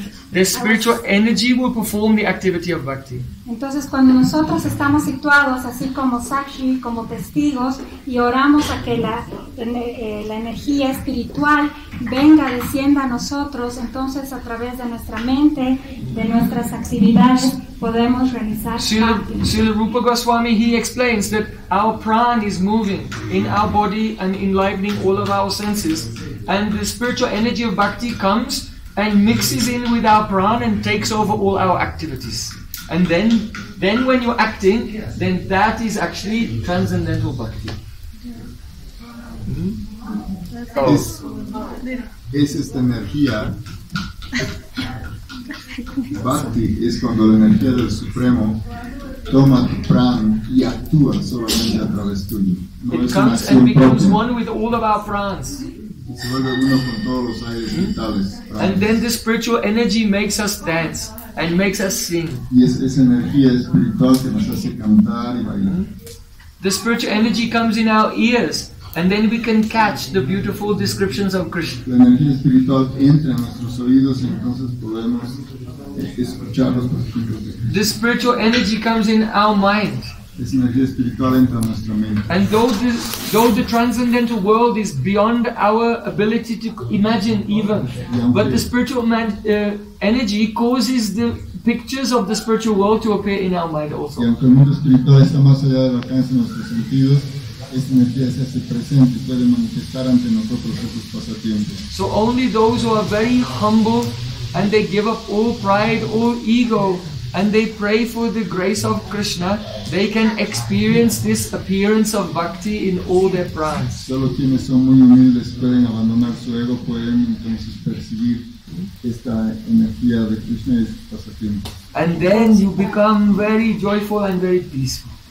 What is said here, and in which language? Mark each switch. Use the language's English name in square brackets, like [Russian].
[English] The spiritual energy will perform the activity of bhakti. [Spanish] Entonces, cuando nosotros estamos situados así como sakshi, como testigos, y oramos a que la energía espiritual venga descienda a nosotros, entonces a través de nuestra mente, de nuestras actividades, [English] Srila Rupa Goswami, he explains that our prana is moving in our body and enlivening all of our senses. And the spiritual energy of bhakti comes and mixes in with our prana and takes over all our activities. And then when you're acting, then that is actually transcendental bhakti. This is the [Spanish] energía. Bhakti es cuando la energía del Supremo toma tu pran y actúa solamente a través tuyo. No [English] it [Spanish] es [English] comes [Spanish] una [English] and becomes [Spanish] propia. [English] One with all of our prans. [Spanish] Se vuelve uno con todos los aires vitales. [English] And then the spiritual energy makes us dance and makes us sing. [Spanish] Y es esa energía espiritual que nos hace cantar y bailar. [English] The spiritual energy comes in our ears. And then we can catch the beautiful descriptions of Krishna. [Spanish] La energía espiritual entra en nuestros oídos y entonces podemos escuchar los discursos de Krishna. [English] The spiritual energy comes in our mind. [Spanish] Esa energía espiritual entra en nuestra mente. [English] And though the transcendental world is beyond our ability to imagine even, but the spiritual energy causes the pictures of the spiritual world to appear in our mind also. [Spanish] Y aunque el mundo espiritual está más allá del alcance de nuestros sentidos, esta energía se hace presente y puede manifestar ante nosotros esos pasatiempos. [English] So only those who are very humble and they give up all pride, all ego, and they pray for the grace of Krishna, they can experience this appearance of bhakti in all their pranas. [Spanish] Solo quienes son muy humildes pueden abandonar su ego, pueden entonces percibir esta energía de Krishna y esos pasatiempos. [English] And then you become very joyful and very peaceful.